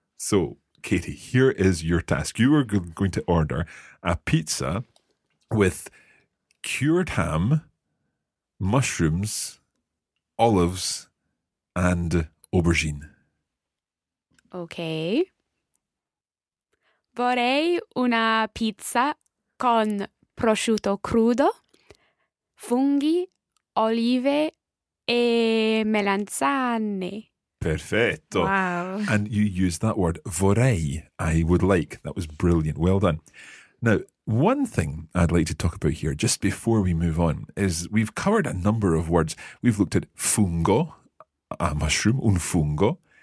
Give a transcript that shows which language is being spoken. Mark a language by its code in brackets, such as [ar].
[en] So Katie, here is your task. You are going to order a pizza with cured ham, mushrooms, olives, and aubergine. Okay. [it] Vorrei una pizza con prosciutto crudo, funghi, olive e melanzane. Perfetto. [en] Wow. And you used that word, vorrei, I would like. That was brilliant. Well done. Now, one thing I'd like to talk about here, just before we move on, is we've covered a number of words. We've looked at fungo, a mushroom, un fungo.